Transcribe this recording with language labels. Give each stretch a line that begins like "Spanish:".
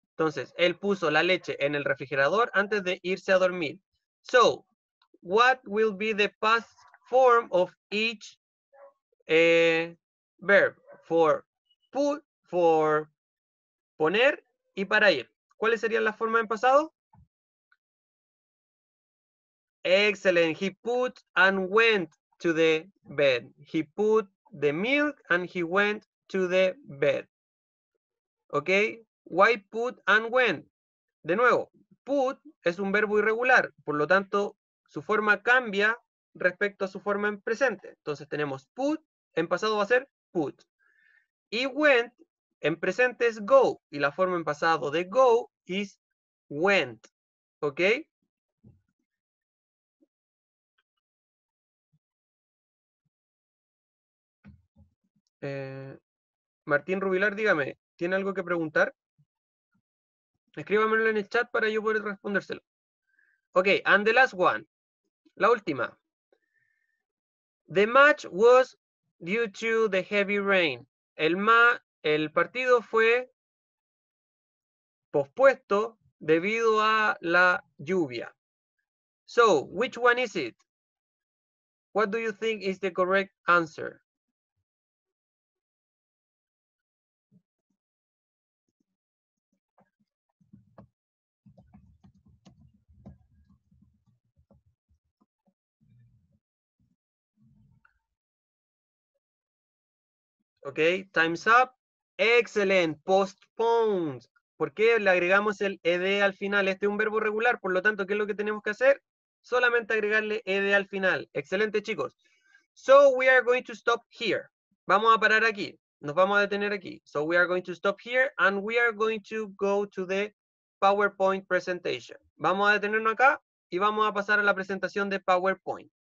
Spanish: Entonces, él puso la leche en el refrigerador antes de irse a dormir.
English: So, what will be the past form of each verb? For put, for
Spanish: poner y para ir. ¿Cuáles serían las formas en pasado?
English: Excellent. He put and went to the bed. He put the milk and he went to the bed. Okay, why put and went?
Spanish: De nuevo, put es un verbo irregular, por lo tanto su forma cambia respecto a su forma en presente. Entonces tenemos put, en pasado va a ser put, y went en presente es go, y la forma en pasado de go is went. Okay. Martín Rubilar, dígame, ¿tiene algo que preguntar? Escríbamelo en el chat para yo poder respondérselo.
English: Ok, and the last one.
Spanish: La última.
English: The match was due to the heavy rain.
Spanish: El partido fue pospuesto debido a la lluvia.
English: So, which one is it? What do you think is the correct answer? Ok, time's up. Excellent, postponed.
Spanish: ¿Por qué le agregamos el ed al final? Este es un verbo regular, por lo tanto, ¿qué es lo que tenemos que hacer? Solamente agregarle ed al final. Excelente, chicos.
English: So we are going to stop here.
Spanish: Vamos a parar aquí. Nos vamos a detener aquí.
English: So we are going to stop here and we are going to go to the PowerPoint presentation.
Spanish: Vamos a detenernos acá y vamos a pasar a la presentación de PowerPoint.